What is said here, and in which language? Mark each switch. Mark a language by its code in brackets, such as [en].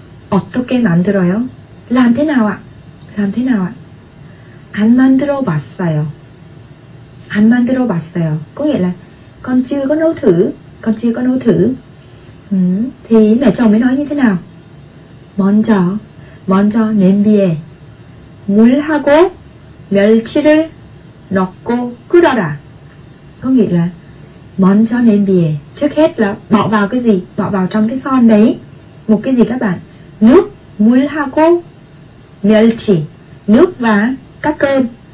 [ko] 어떻게 만들어요? [vi] Làm thế nào ạ? Làm thế nào ạ? [ko] 안 만들어 봤어요. 안 만들어 봤어요. [vi] Có nghĩa là con chưa có nấu thử. Con chưa có nấu thử. Thì mẹ chồng mới nói như thế nào? [ko] 먼저, 먼저 냄비에 물하고 멸치를 넣고 끓어라. [vi] Có nghĩa là [ko] 먼저 냄비에, [vi] trước hết là bỏ vào cái gì? Bỏ vào trong cái son đấy. Một cái gì các bạn? Nước, [ko] 물하고 멸치, [vi] nước và các cơm.